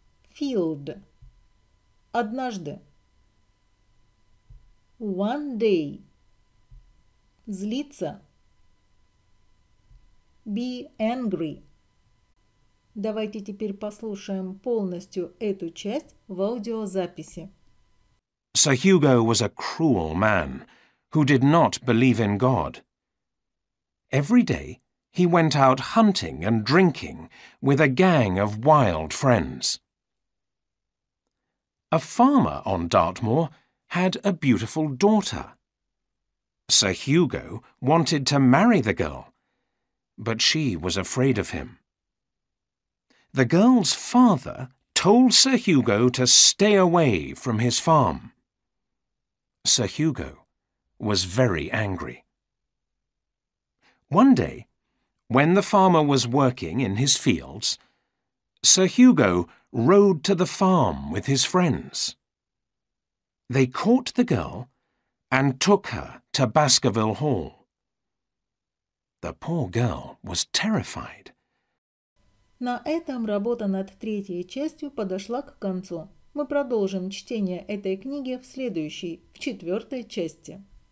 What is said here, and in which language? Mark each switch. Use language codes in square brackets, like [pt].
[en] Field. Однажды. One day. Злиться. Be angry. [ru] Давайте теперь послушаем полностью эту часть в аудиозаписи. [en] Sir Hugo was a cruel man who did not believe in God. Every day he went out hunting and drinking with a gang of wild friends. A farmer on Dartmoor had a beautiful daughter. Sir Hugo wanted to marry the girl, but she was afraid of him. The girl's father told Sir Hugo to stay away from his farm. Sir Hugo was very angry. One day, when the farmer was working in his fields, Sir Hugo rode to the farm with his friends. They caught the girl and took her to Baskerville Hall. The poor girl was terrified. [ru] На этом работа над третьей частью подошла к концу. Мы продолжим чтение этой книги в следующей, в четвертой части.